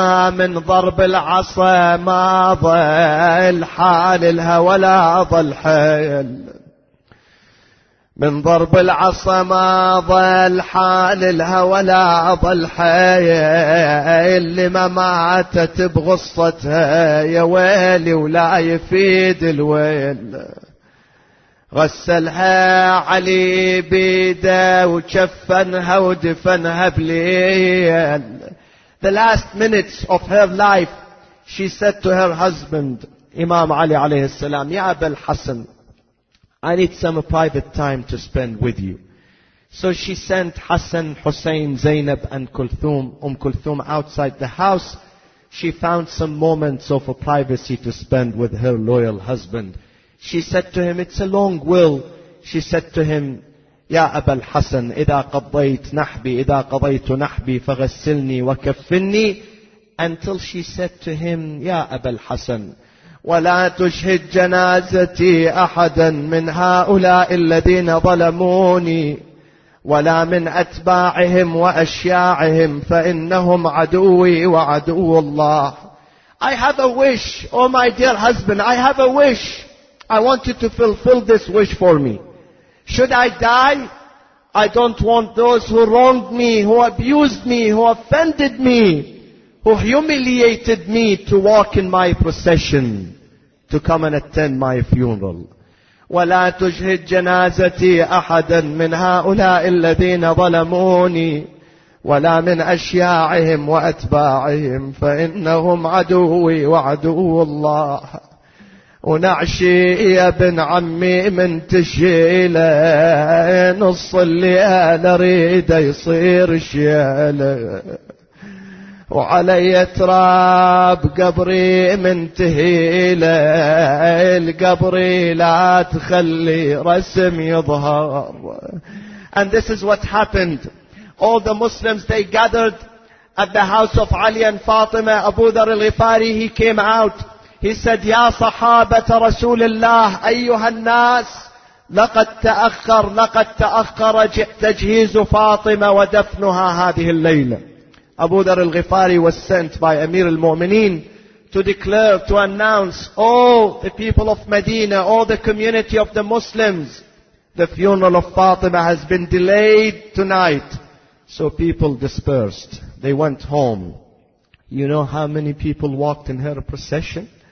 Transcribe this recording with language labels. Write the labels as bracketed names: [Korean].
[Arabic] من ضرب العصا ما ضل حال لها ولا ضل حيل من ضرب العصا ما ضل حال لها ولا ضل حيل اللي ما ماتت بغصتها يا ويلي ولا يفيد الويل غسلها علي بيده وكفنها ودفنها بليل. [English] The last minutes of her life, she said to her husband, Imam Ali [Arabic] عليه السلام, يا أبا الحسن, [English] I need some private time to spend with you. So she sent Hassan, Hussein, Zainab and Kulthum, Kulthum outside the house. She found some moments of a privacy to spend with her loyal husband. She said to him, it's a long will. She said to him, Ya Aba al-Hassan, [Arabic] إذا قضيت نحبي فغسلني وكفني. [English] Until she said to him, [Arabic] Ya Aba al-Hassan, ولا تشهد جنازتي أحدا من هؤلاء الذين ظلموني ولا من أتباعهم وأشياعهم فإنهم عدوي وعدو الله. [English] I have a wish, oh my dear husband, I have a wish. I want you to fulfill this wish for me. Should I die? I don't want those who wronged me, who abused me, who offended me, who humiliated me to walk in my procession, to come and attend my funeral. [Arabic] وَلَا تُجْهِدْ جَنَازَتِي أَحَدًا مِنْ هَؤُلَاءِ الَّذِينَ ظَلَمُونِي وَلَا مِنْ أَشْيَاعِهِمْ وَأَتْبَاعِهِمْ فَإِنَّهُمْ عَدُوِّي وَعَدُوُّ اللَّهِ. ونعشي يا ابن عمي من تشيلة نص الليل أريده يصير شيلة وعلي تراب قبري منتهي ليل قبري لا تخلي رسم يظهر. [English] And this is what happened. All the Muslims, they gathered at the house of Ali and Fatima. Abu Dhar al-Ghifari, he came out. He said, [Arabic] يا صحابة رسول الله أيها الناس لقد تأخر تجهيز فاطمة ودفنها هذه الليلة. [English] Abu Dhar al-Ghifari was sent by Amir al-Mu'mineen to declare, to announce, all the people of Medina, all the community of the Muslims, the funeral of Fatima has been delayed tonight. So people dispersed. They went home. You know how many people walked in her procession?